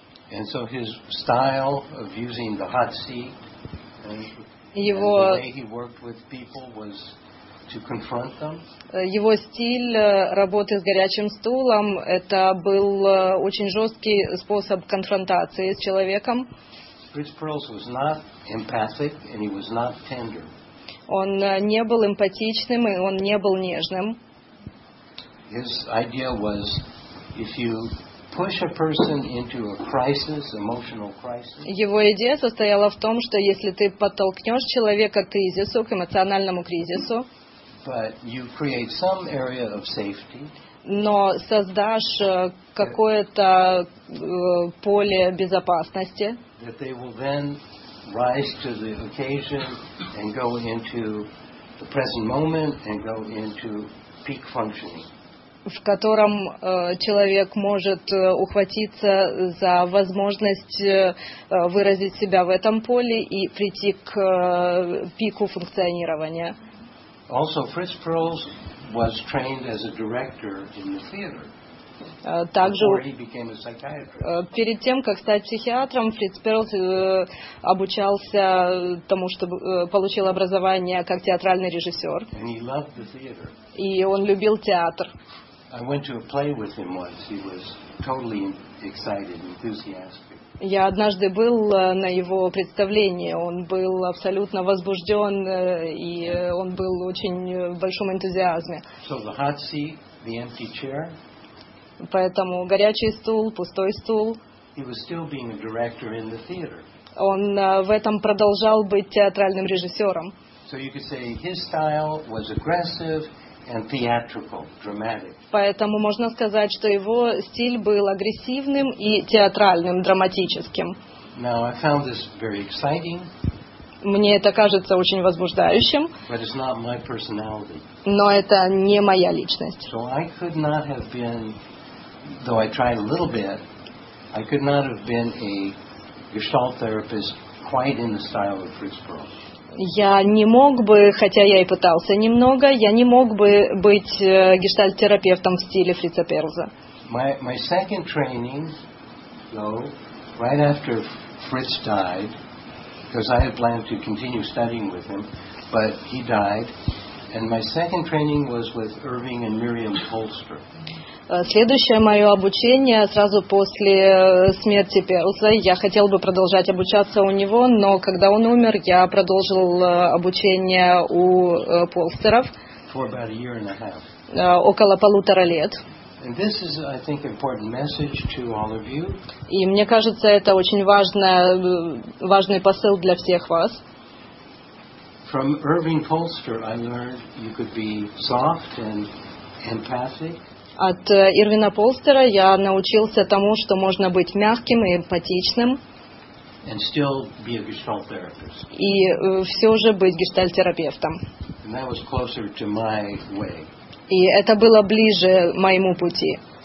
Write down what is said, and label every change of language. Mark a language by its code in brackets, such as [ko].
[en] And so his style of using the hot seat. [ru] Его, [en] the way he worked with people was to confront them. [ru] Его стиль работы с горячим стулом – это был очень жесткий способ конфронтации с человеком. [en] Fritz Perls was not empathic, and he was not tender. [ru] Он не был эмпатичным, и он не был нежным. [en] His idea was, if you push a person into a crisis, emotional crisis. [ru] Его идея состояла в том, что если ты подтолкнешь человека к кризису, к эмоциональному кризису, [en] but you create some area of safety, [ru] но создашь какое-то поле безопасности, [en] that they will then rise to the occasion and go into the present moment and go into peak functioning. [ru] В котором человек может ухватиться за возможность выразить себя в этом поле и прийти к пику функционирования. [en] Also, Fritz Perls was trained as a director in the theater. [ru] Также [en] he became a psychiatrist. [ru] Перед тем, как стать психиатром, Фритц Перлс обучался тому, чтобы получил образование как театральный режиссер. [en] And he loved the theater. [ru] И он любил театр. [en] I went to a play with him once. He was totally excited, enthusiastic. [ru] Я однажды был на его представлении. Он был абсолютно возбужден, и он был очень в большом энтузиазме. [en] So the hot seat, the empty chair. [ru] Поэтому горячий стул, пустой стул. [en] He was still being a director in the theater. [ru] Он в этом продолжал быть театральным режиссером. [en] So you could say his style was aggressive and theatrical, dramatic. [ru] Поэтому можно сказать, что его стиль был агрессивным и театральным, драматическим. [en] Now I found this very exciting. [ru] Мне это кажется очень возбуждающим. [en] But it's not my personality. [ru] Но это не моя личность. [en] So I could not have been, though I tried a little bit, I could not have been a gestalt therapist quite in the style of Fritz Perls. [ru] Я не мог бы, хотя я и пытался немного, я не мог бы быть гештальт-терапевтом в стиле Фрица Перлза. [en] My second training, though, right after Fritz died, because I had planned to continue studying with him, but he died, and my second training was with Irving and Miriam Polster. [ru] Следующее мое обучение сразу после смерти Перлза. Я хотел бы продолжать обучаться у него, но когда он умер, я продолжил обучение у Полстеров около полутора лет. [en] And this is, I think, important message to all of you. [ru] И мне кажется, это очень важный посыл для всех вас. [en] From Irving Polster, I learned you could be soft and empathic. [ru] От Ирвина Полстера я научился тому, что можно быть мягким и эмпатичным и все же быть гештальт-терапевтом. И это было ближе моему пути.